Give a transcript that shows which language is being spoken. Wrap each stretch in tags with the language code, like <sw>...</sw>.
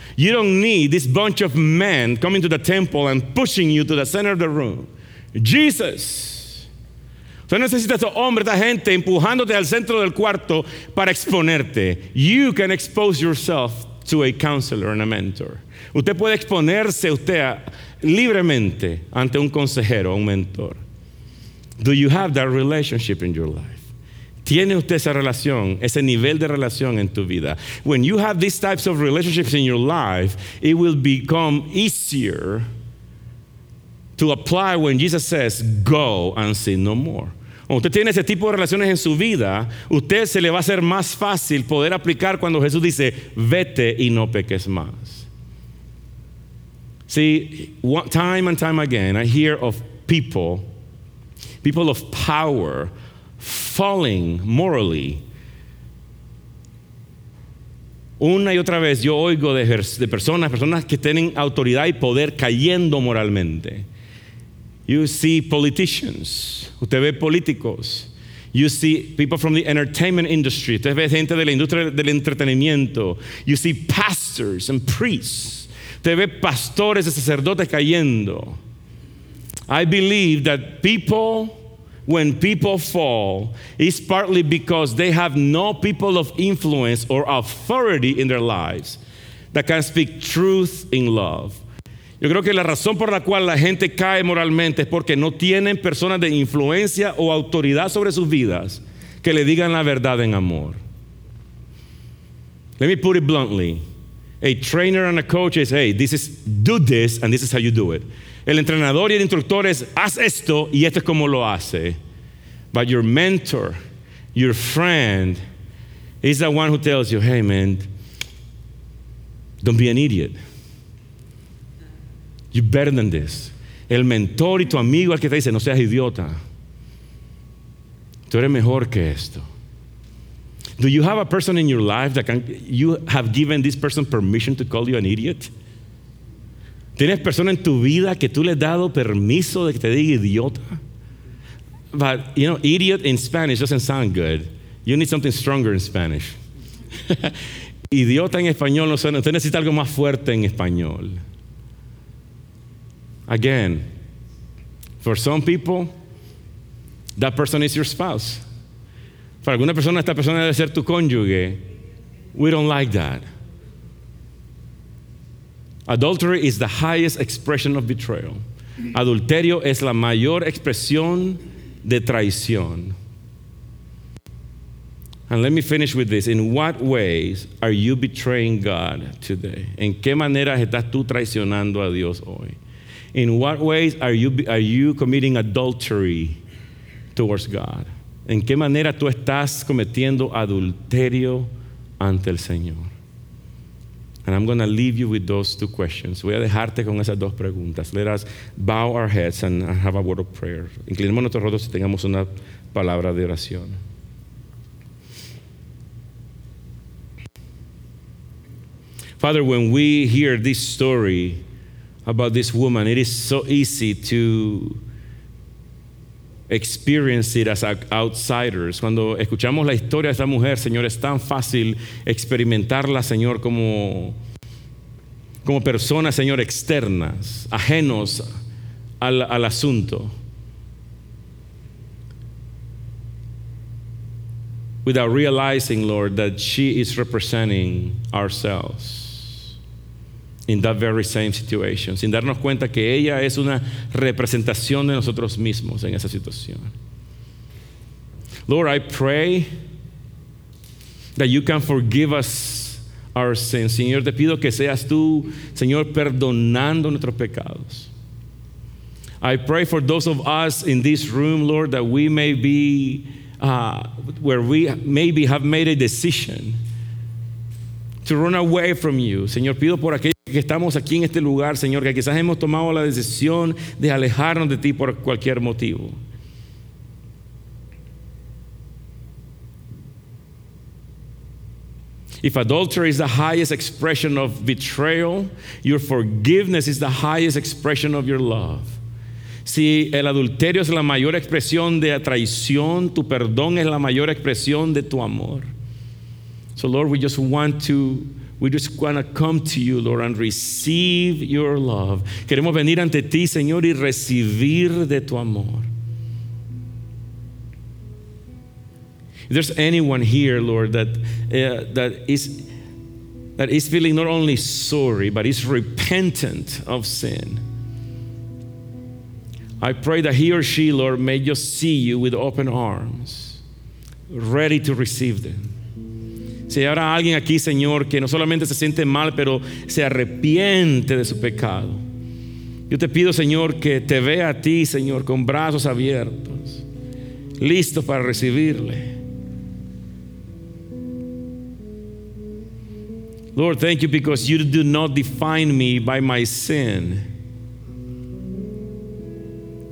<en>You don't need this bunch of men coming to the temple and pushing you to the center of the room. Jesus.</en> <es>Usted necesita a esos hombres, a esta gente empujándote al centro del cuarto para exponerte.</es> <en>You can expose yourself to a counselor and a mentor.</en> <es>Usted puede exponerse usted libremente ante un consejero, un mentor.</es> <en>Do you have that relationship in your life?</en> <es>¿Tiene usted esa relación, ese nivel de relación en tu vida?</es> <en>When you have these types of relationships in your life, it will become easier to apply when Jesus says, go and sin no more.</en> <es>Cuando usted tiene ese tipo de relaciones en su vida, usted se le va a hacer más fácil poder aplicar cuando Jesús dice, vete y no peques más.</es> <en>See, time and time again, I hear of people of power, falling morally.</en> <es>Una y otra vez yo oigo de personas que tienen autoridad y poder cayendo moralmente.</es> <en>You see politicians.</en> <es>Usted ve políticos.</es> <en>You see people from the entertainment industry.</en> <es>Usted ve gente de la industria del entretenimiento.</es> <en>You see pastors and priests.</en> <es>Usted ve pastores y sacerdotes cayendo.</es> <en>I believe that when people fall, it's partly because they have no people of influence or authority in their lives that can speak truth in love.</en> <es>Yo creo que la razón por la cual la gente cae moralmente es porque no tienen personas de influencia o autoridad sobre sus vidas que le digan la verdad en amor.</es> <en>Let me put it bluntly. A trainer and a coach is, hey, this is do this and this is how you do it.</en> <es>El entrenador y el instructor es, haz esto y esto es como lo hace.</es> <en>But your mentor, your friend, is the one who tells you, hey man, don't be an idiot. You're better than this.</en> <es>El mentor y tu amigo es el que te dice, no seas idiota. Tú eres mejor que esto.</es> <en>Do you have a person in your life that can, you have given this person permission to call you an idiot?</en> <es>¿Tienes persona en tu vida que tú le has dado permiso de que te diga idiota?</es> <en>But, you know, idiot in Spanish doesn't sound good. You need something stronger in Spanish.</en> <es>Idiota en español no suena. Usted necesita algo más fuerte en español.</es> <en>Again, for some people, that person is your spouse.</en> <es>Para alguna persona, esta persona debe ser tu cónyuge.</es> <en>We don't like that. Adultery is the highest expression of betrayal.</en> <es>Adulterio es la mayor expresión de traición.</es> <en>And let me finish with this. In what ways are you betraying God today?</en> <es>¿En qué manera estás tú traicionando a Dios hoy?</es> <en>In what ways are you committing adultery towards God?</en> <es>¿En qué manera tú estás cometiendo adulterio ante el Señor?</es> <en>And I'm going to leave you with those two questions.</en> <es>Voy a dejarte con esas dos preguntas.</es> <en>Let us bow our heads and have a word of prayer.</en> <es>Inclinemos nuestros rostros y tengamos una palabra de oración.</es> <en>Father, when we hear this story about this woman, it is so easy to experience it as outsiders.</en> <es>Cuando escuchamos la historia de esta mujer, Señor, es tan fácil experimentarla, Señor, como personas, Señor, externas, ajenos al asunto.</es> <en>Without realizing, Lord, that she is representing ourselves in that very same situation,</en> <es>sin darnos cuenta que ella es una representación de nosotros mismos en esa situación.</es> <en>Lord, I pray that you can forgive us our sins.</en> <es>Señor, te pido que seas tú, Señor, perdonando nuestros pecados.</es> <en>I pray for those of us in this room, Lord, that we may be where we maybe have made a decision to run away from you.</en> <es>Señor, pido por aquellos que estamos aquí en este lugar, Señor, que quizás hemos tomado la decisión de alejarnos de ti por cualquier motivo.</es> <en>If adultery is the highest expression of betrayal, your forgiveness is the highest expression of your love.</en> <es>Si el adulterio es la mayor expresión de traición, tu perdón es la mayor expresión de tu amor.</es> <en>So Lord, we just want to come to you, Lord, and receive your love.</en> <es>Queremos venir ante ti, Señor, y recibir de tu amor.</es> <en>If there's anyone here, Lord, that is feeling not only sorry, but is repentant of sin, I pray that he or she, Lord, may just see you with open arms, ready to receive them.</en> <es>Si hay ahora alguien aquí, Señor, que no solamente se siente mal, pero se arrepiente de su pecado, yo te pido, Señor, que te vea a ti, Señor, con brazos abiertos, listo para recibirle.</es> <en>Lord, thank you because you do not define me by my sin.</en>